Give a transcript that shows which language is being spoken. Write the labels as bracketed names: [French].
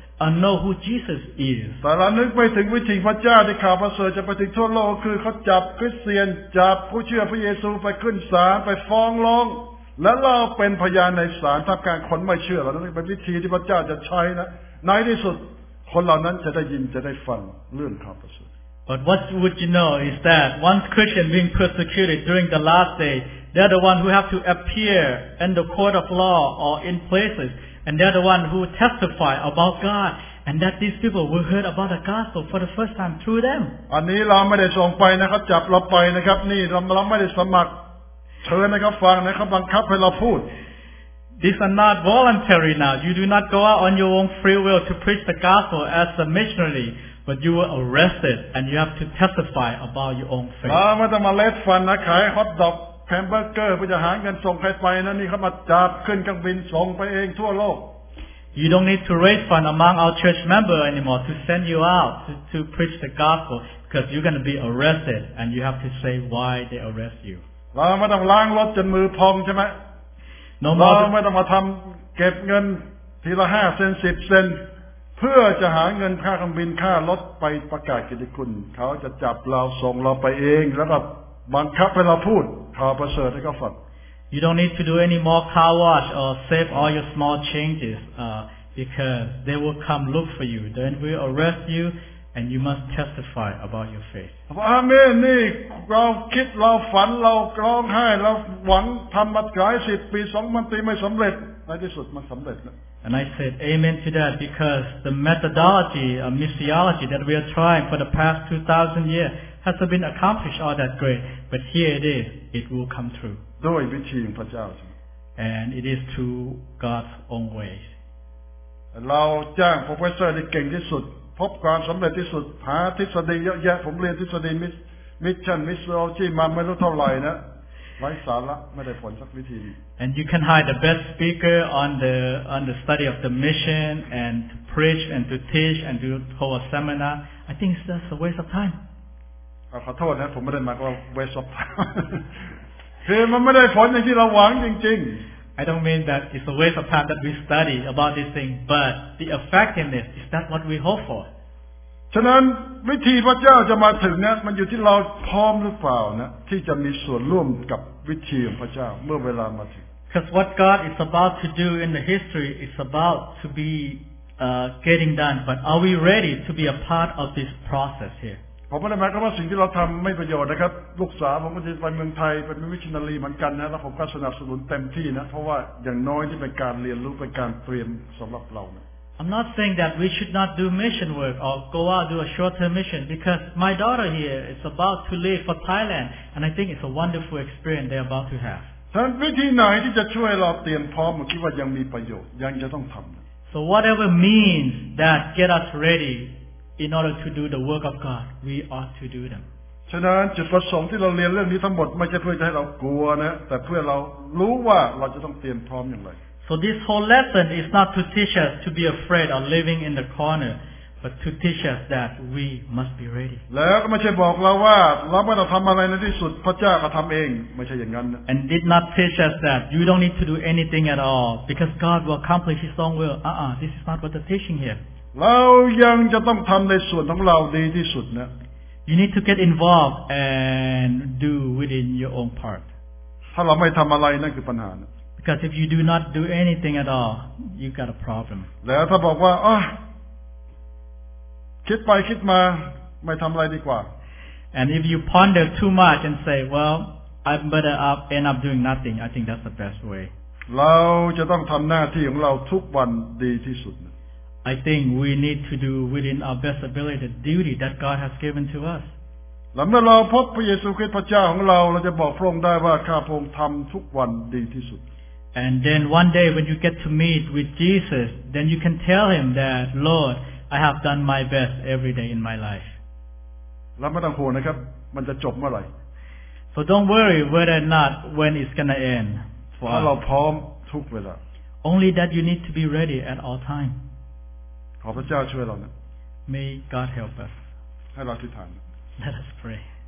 [English] I know who Jesus is. [Thai] แต่เรานึกไปถึงวิธีพระเจ้าที่ข่าวประเสริฐจะไปถึงทั่วโลกคือเขาจับคริสเตียนจับผู้เชื่อพระเยซูไปขึ้นศาลไปฟ้องร้องและเราเป็นพยานในศาลท่ามกลางคนไม่เชื่อเรานั่นเป็นวิธีที่พระเจ้าจะใช้นะในที่สุดคนเหล่านั้นจะได้ยินจะได้ฟังเรื่องข่าวประเสริฐ [English] But what would you know is that once Christian being persecuted during the last day, they're the one who have to appear in the court of law or in places. And they're the one who testify about God, and that these people will hear about the gospel for the first time through them. [Thai] อันนี้เราไม่ได้ส่งไปนะครับจับเราไปนะครับนี่เราไม่ได้สมัครเชิญนะครับฟังนะครับบังคับให้เราพูด [English] These are not voluntary now. You do not go out on your own free will to preach the gospel as a missionary, but you were arrested and you have to testify about your own faith. [Thai] เราไม่ต้องมาเล็ดฟันนะขายฮอตดอกแฮมเบอร์เกอร์เพื่อจะหาเงินส่งใครไปนะนี่เขามาจับขึ้นเครื่องบินส่งไปเองทั่วโลก [English] You don't need to raise fund among our church member anymore to send you out to preach the gospel because you're going to be arrested and you have to say why they arrest you [Thai] เราไม่ต้องล้างรถจนมือพองใช่ไหม [English] No [Thai] เราไม่ต้องมาทำเก็บเงินทีละ5เซน10เซนเพื่อจะหาเงินค่าเครื่องบินค่ารถไปประกาศกิตติคุณเขาจะจับเราส่งเราไปเองแล้วก็บังคับให้เราพูดข่าวประเสริฐให้เขาฟัง [English] You don't need to do any more car wash or save all your small changes because they will come look for you. Then we arrest you and you must testify about your faith. [Thai] อาเมนนี่เราคิดเราฝันเราร้องไห้เราหวังทำมาหลายสิบปี2,000ปีไม่สำเร็จในที่สุดมันสำเร็จนะ [English] And I said amen to that because the methodology of missiology that we are trying for the past 2,000 years. Has been accomplished all that great, but here it is. It will come true. [Thai] ด้วยวิธีของพระเจ้า [English] And it is through God's own way. [Thai] เราจ้างโปรเฟสเซอร์ที่เก่งที่สุดพบความสำเร็จที่สุดหาทฤษฎีเยอะแยะผมเรียนทฤษฎีมิชชั่นมิสโซจีมาไม่รู้เท่าไหร่นะไร้สาระไม่ได้ผลสักวิธี [English] And you can hire the best speaker on the study of the mission and to preach and to teach and to hold a seminar I think that's a waste of time [Thai] ขอโทษนะผมไม่ได้หมายว่า [English] waste of time [Thai] คือมันไม่ได้ผลอย่างที่เราหวังจริงๆ [English] I don't mean that it's a waste of time that we study about this thing, but the effectiveness, is that what we hope for? [Thai] ฉะนั้นวิธีพระเจ้าจะมาถึงเนี่ยมันอยู่ที่เราพร้อมหรือเปล่านะที่จะมีส่วนร่วมกับวิธีของพระเจ้าเมื่อเวลามาถึง [English] Because what God is about to do in the history is about to be getting done, but are we ready to be a part of this process here? [Thai] ผมไม่ได้หมายความว่าสิ่งที่เราทำไม่ประโยชน์นะครับลูกสาวผมก็จะไปเมืองไทยเป็นมิชชันนารีเหมือนกันนะแล้วผมก็สนับสนุนเต็มที่นะเพราะว่าอย่างน้อยที่เป็นการเรียนรู้เป็นการเตรียมสำหรับเรานะ [English] I'm not saying that we should not do mission work or go out do a short-term mission because my daughter here is about to leave for Thailand and I think it's a wonderful experience they're about to have [Thai] ท่านวิธีไหนที่จะช่วยเราเตรียมพร้อมคิดว่ายังมีประโยชน์ยังจะต้องทำ [English] So whatever means that get us readyIn order to do the work of God, we ought to do them. [Thai] ฉะนั้นจุดประสงค์ที่เราเรียนเรื่องนี้ทั้งหมดไม่ใช่เพื่อจะให้เรากลัวนะแต่เพื่อเรารู้ว่าเราจะต้องเตรียมพร้อมอย่างไร [English] So this whole lesson is not to teach us to be afraid of living in the corner, but to teach us that we must be ready. [Thai] แล้วก็ไม่ใช่บอกเราว่าเราไม่ต้องทำอะไรในที่สุดพระเจ้าก็ทำเองไม่ใช่อย่างนั้น [English] And did not teach us that you don't need to do anything at all because God will accomplish His own will. This is not what the teaching here. [Thai] เรายังจะต้องทำในส่วนของเราดีที่สุดนะ [English] You need to get involved and do within your own part. [Thai] ถ้าเราไม่ทำอะไรนั่นคือปัญหา [English] Because if you do not do anything at all, you got a problem. [Thai] แล้วถ้าบอกว่าคิดไปคิดมาไม่ทำอะไรดีกว่า [English] And if you ponder too much and say, well, I better up end up doing nothing, I think that's the best way. [Thai] เราจะต้องทำหน้าที่ของเราทุกวันดีที่สุด [English] I think we need to do within our best ability the duty that God has given to us. [Thai] หลังเมื่อเราพบพระเยซูคริสต์พระเจ้าของเราเราจะบอกพระองค์ได้ว่าข้าพระองค์ทำทุกวันดีที่สุด [English] And then one day when you get to meet with Jesus, then you can tell him that, Lord, I have done my best every day in my life. [Thai] แล้วไม่ต้องห่วงนะครับมันจะจบเมื่อไหร่ [English] So don't worry whether or not when it's going to end. [Thai] ถ้าเราพร้อมทุกเวลา [English] Only that you need to be ready at all time. [Thai] ขอพระเจ้าช่วยเรานะ [English] May God help us. [Thai] ให้เราอธิษฐาน [English] Let us pray.